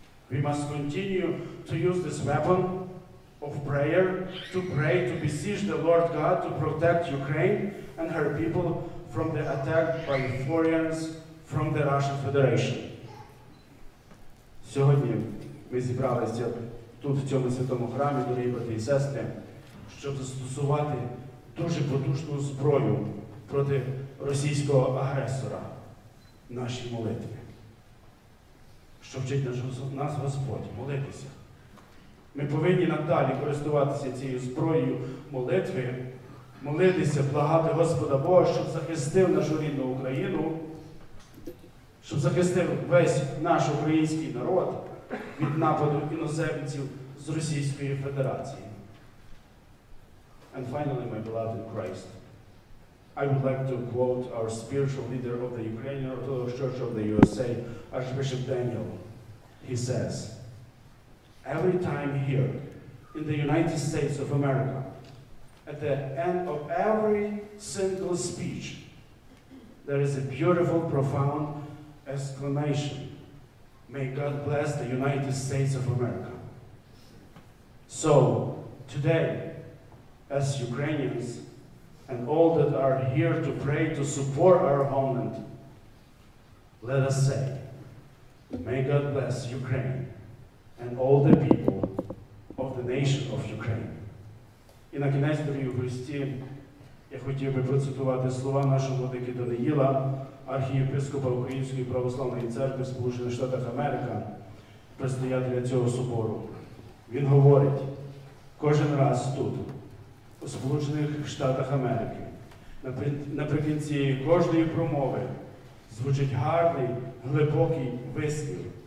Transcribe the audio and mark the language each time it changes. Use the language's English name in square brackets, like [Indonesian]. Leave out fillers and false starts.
[English] We must continue to use this weapon of prayer, to pray, to beseech the Lord God to protect Ukraine and her people from the attack by foreigners from the Russian Federation. [Ukrainian] Сьогодні ми зібралися тут, в цьому святому храмі, дорогі брати і сестри, щоб застосувати дуже потужну зброю проти російського агресора в нашій молитві. Що вчить нас Господь молитися. Ми повинні надалі користуватися цією зброєю молитви, молитися, благати Господа Бога, щоб захистив нашу рідну Україну, щоб захистив весь наш український народ від нападу іноземців з Російської Федерації. [English] And finally, my beloved in Christ, I would like to quote our spiritual leader of the Ukrainian Orthodox Church of the USA, Archbishop Daniel. He says, every time here in the United States of America, at the end of every single speech, there is a beautiful, profound exclamation, may God bless the United States of America. So today, as Ukrainians and all that are here to pray to support our homeland, let us say, may God bless Ukraine and all the people of the nation of Ukraine. [Ukrainian] І на кінець дорогі у Христі я хотів би процитувати слова нашого владики Даниїла, архієпископа Української православної церкви в Сполучених Штатах Америки, предстоятеля цього собору. Він говорить, кожен раз тут, у Сполучених Штатах Америки, наприкінці кожної промови звучить гарний, глибокий вислів.